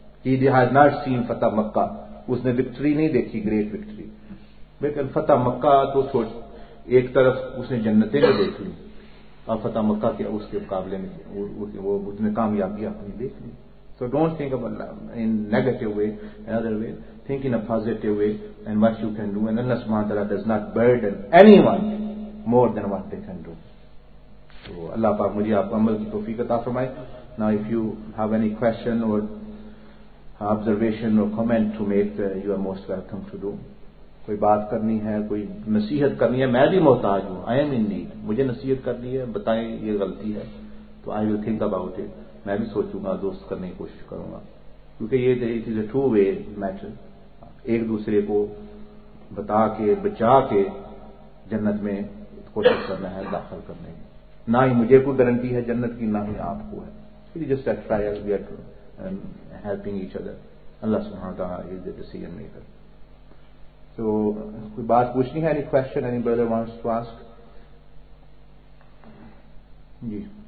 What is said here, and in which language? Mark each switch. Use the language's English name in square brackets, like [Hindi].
[English] he has not seen [Urdu] فتح مکہ, اس نے victory نہیں دیکھی, [English] great victory, [Urdu] لیکن فتح مکہ تو سوچ ایک طرف اس نے جنتیں بھی دیکھ لی, اور فتح مکہ کیا اس کے مقابلے میں وہ اس نے کامیابی اپنی دیکھ لی. [English] So don't think about in negative way and other way, think in a positive way and what you can do, and اللہ سبحانہ وتعالیٰ does not burden any one more than what they can do. [Urdu] تو اللہ پاک مجھے آپ عمل کی توفیق عطا فرمائے. [English] Now if you have any question اور observation or comment to make, you are most welcome to do. [Urdu] کوئی بات کرنی ہے, کوئی نصیحت کرنی ہے, میں بھی محتاج ہوں, [English] I am in need, [Urdu] مجھے نصیحت کرنی ہے, بتائیں یہ غلطی ہے, تو [English] I will think about it, [Urdu] میں بھی سوچوں گا, درست کرنے کی کوشش کروں گا, کیونکہ یہ [English] it is a two way matter, [Urdu] ایک دوسرے کو بتا کے بچا کے جنت میں کوشش کرنا ہے داخل کرنے کی, نہ ہی مجھے کوئی گارنٹی ہے جنت کی, نہ ہی آپ کو ہے, [English] Just at trial we are helping each other. Allah subhanahu wa ta'ala is the decision maker. So, [Urdu] koi baat puchni hai, [English] any question any brother wants to ask? [Urdu] Ji.